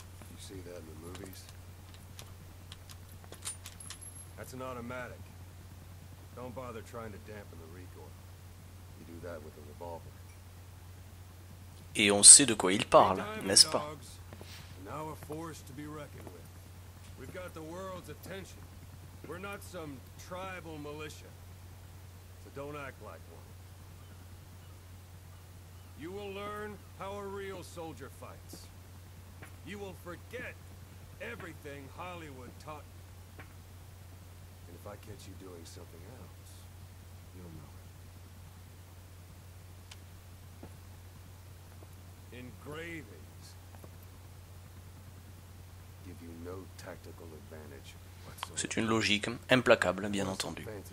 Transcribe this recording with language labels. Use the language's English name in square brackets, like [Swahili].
[English] You see that in the movies? That's an automatic. Don't bother trying to dampen the recoil. You do that with a revolver. [French] Et on sait de quoi il parle, n'est-ce pas? [English] Now a force to be reckoned with. We've got the world's attention. We're not some tribal militia, so don't act like one. You will learn how a real soldier fights. You will forget everything Hollywood taught you. And if I catch you doing something else, you'll know it. Engravings give you no tactical advantage. [French] C'est une logique implacable, bien entendu.